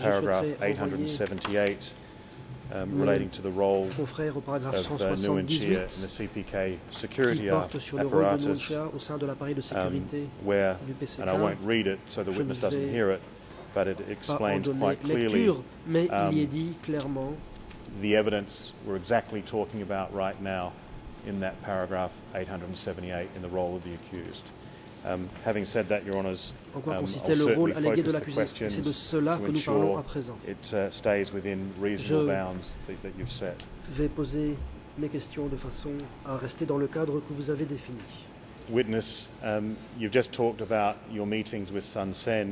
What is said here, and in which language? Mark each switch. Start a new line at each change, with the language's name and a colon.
English: paragraph 878 relating to the role of Nguyen Chia in the CPK security apparatus, where, and I won't read it so the witness doesn't hear it, but it explains quite clearly the evidence we're exactly talking about right now in that paragraph 878 in the role of the accused. Having said that, Your Honours, I'll certainly focus the questions to ensure it stays within reasonable bounds that you've set.
French: Je vais poser mes questions de façon à rester dans le cadre que vous avez défini.
English: Witness, you've just talked about your meetings with Sun Sen.